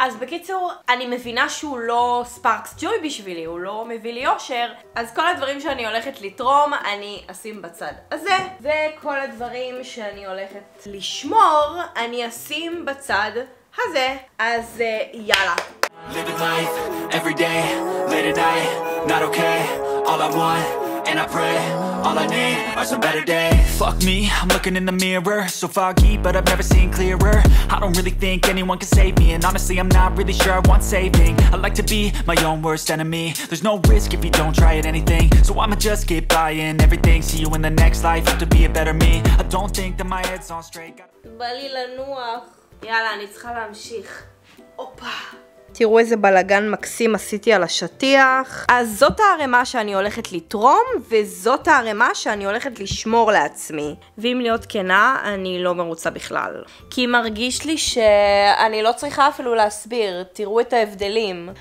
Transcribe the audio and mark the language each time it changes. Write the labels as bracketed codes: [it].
[he] אז בקיצור, אני מבינה שהוא לא [en] ספארקס ג'וי [he] בשבילי, הוא לא מביא לי אושר, אז כל הדברים שאני הולכת לתרום, אני אשים בצד הזה, וכל הדברים שאני הולכת לשמור, אני אשים בצד הזה, אז יאללה. [en] Living life, every day, late at night, not okay, all I want, and I pray, all I need are some better days. Fuck me, I'm looking in the mirror, so foggy, but I've never seen clearer. I don't really think anyone can save me, and honestly, I'm not really sure I want saving. I like to be my own worst enemy, there's no risk if you don't try at anything. So I'ma just get buying everything, see you in the next life, have to be a better me. I don't think that my head's on straight. [he] בא לי לנוח. יאללה, אני צריכה להמשיך. אופה. תראו איזה בלגן מקסים עשיתי על השטיח. אז זאת הערימה שאני הולכת לתרום, וזאת הערימה שאני הולכת לשמור לעצמי. ואם להיות כנה, אני לא מרוצה בכלל. כי מרגיש לי שאני לא צריכה אפילו להסביר, תראו את ההבדלים.